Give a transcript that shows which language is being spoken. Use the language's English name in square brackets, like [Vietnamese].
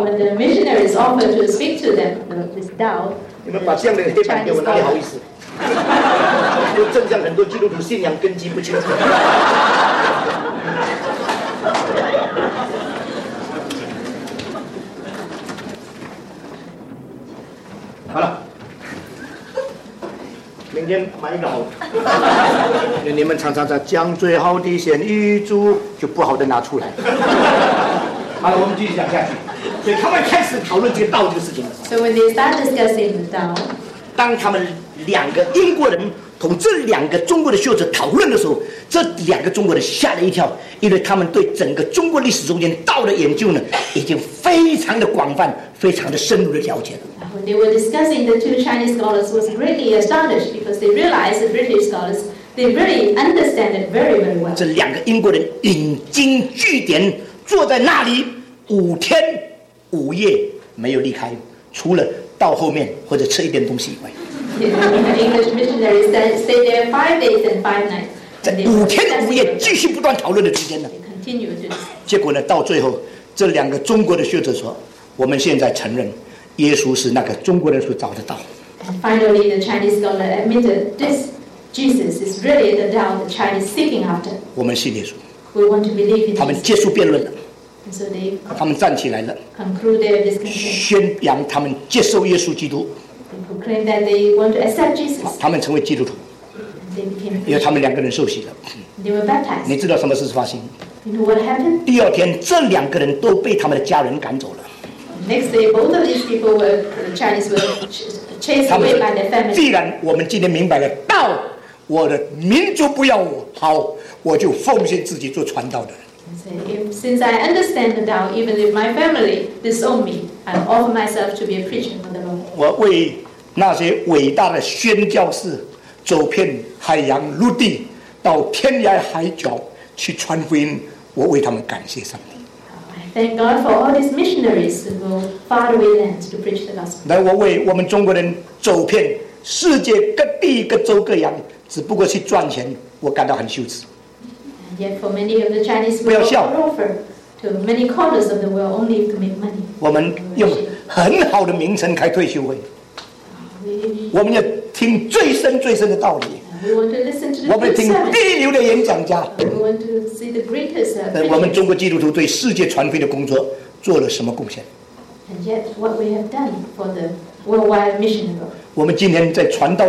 [English] So when the missionaries offered to speak to them this doubt， [Chinese] 你们把这样的黑板给我，哪里好意思？就正像很多基督徒信仰根基不清楚。好了。明天买一个好，你们常常在将最好的先预祝，就不好的拿出来。好了，我们继续讲下去。所以他们开始讨论这个道这个事情。 [English] So when they start discussing the 道， [Chinese] 当他们两个英国人同这两个中国的学者讨论的时候，这两个中国人吓了一跳，因为他们对整个中国历史中间道的研究呢，已经非常的广泛、非常的深入的了解了。 [English] When they were discussing, the two Chinese scholars was greatly astonished because they realized the British scholars they really understand it very, very well. [Chinese] 这两个英国人引经据典，坐在那里五天五夜没有离开，除了到后面或者吃一点东西以外。 [English] The English missionaries stayed there 5 days and 5 nights. [Chinese] 在五天五夜继续不断讨论的之间呢 [English] ，continued. [Chinese] 结果呢，到最后，这两个中国的学者说：“我们现在承认。” 耶稣是那个中国人所找的道。 [English] Finally, the Chinese scholar admitted this Jesus is really the 道 the Chinese seeking after. [Chinese] 我们信耶稣。 [English] We want to believe in Jesus. [Chinese] 他们结束辩论了。 [English] So they. [Chinese] 他们站起来了。 [English] Conclude their discussion. [Chinese] 宣扬他们接受耶稣基督。 [English] They proclaim that they want to accept Jesus. [Chinese] 他们成为基督徒。 [English] They became. [Chinese] 因为他们两个人受洗了。 [English] They were baptized. [Chinese] 你知道什么事发生 [English] ？You know what happened? [Chinese] 第二天，这两个人都被他们的家人赶走了。 [English] Next day, both of these people were Chinese were chased away by their family. [Chinese] 既然我们今天明白了道，我的民族不要我，好，我就奉献自己做传道的。 [English] Since I understand the 道， even if my family disown me, I offer myself to be a preacher for the Lord. [Chinese] 我为那些伟大的宣教士走遍海洋陆地，到天涯海角去传福音，我为他们感谢上帝。 [English] I Thank God for all these missionaries who go far away lands to preach the gospel. [Chinese] 来，我为我们中国人走遍世界各地各州各洋，只不过去赚钱，我感到很羞耻。 [English] Yet for many of the Chinese, we offer to many corners of the world only to make money. [Chinese] 我们用很好的名称开退休会。我们要听最深最深的道理。 [English] We want to listen to the best. We want to see the greatest. [Chinese] 我们中国基督徒对世界传福音的工作做了什么贡献？ [English] And yet, what we have done for the worldwide missionary?